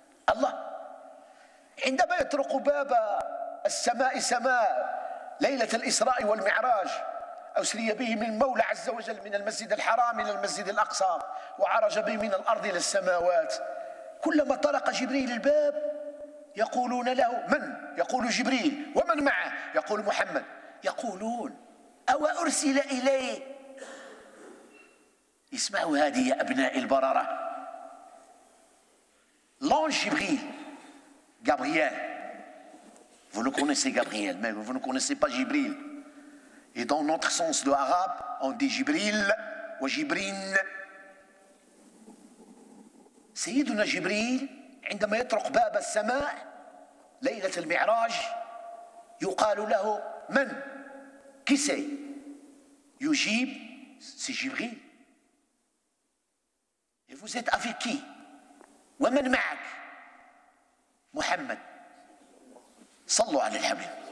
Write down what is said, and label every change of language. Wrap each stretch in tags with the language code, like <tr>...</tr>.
<ar>الله، عندما يطرق باب السماء سماء ليلة الإسراء والمعراج أسري به من المولى عز وجل من المسجد الحرام إلى المسجد الأقصى وعرج به من الأرض إلى السماوات، كلما طرق جبريل الباب يقولون له من؟ يقول جبريل. ومن معه؟ يقول محمد. يقولون أو أرسل إليه؟ اسمعوا هذه يا أبناء البررة، لون جبريل جابرييل.</ar> <fr>Vous le connaissez Gabriel, mais vous ne connaissez pas Jibril. Et dans notre sens de arabe, on dit Jibril ou Jibrin.</fr> <ar>Sayyiduna Jibril, عندما يطرق باب السماء ليلة المعراج يقال له من؟</ar> <fr>Qui c'est? Yujib, c'est Jibril. Et vous êtes avec qui?</fr> <ar>ومن معك؟ محمد. صلوا على الحبيب.</ar>